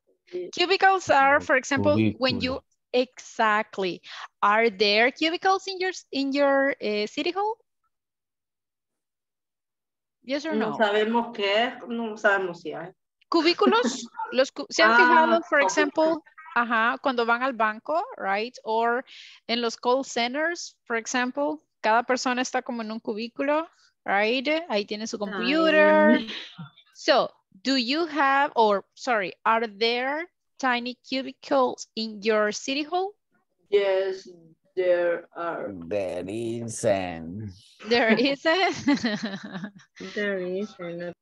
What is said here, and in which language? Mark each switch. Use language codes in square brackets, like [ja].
[en] Cubicles are, for example, when you exactly are there cubicles in your city hall? Yes or no? [es] No sabemos qué es, no sabemos si hay. Cubículos, los se han fijado, [en] for example, [es] cuando van al banco, right? Or en los call centers, [en] for example. [es] Cada persona está como en un cubículo, right? Ahí tiene su computer. [en] So, do you have, or sorry, are there tiny cubicles in your city hall? Yes, there are. There isn't. There isn't? There isn't.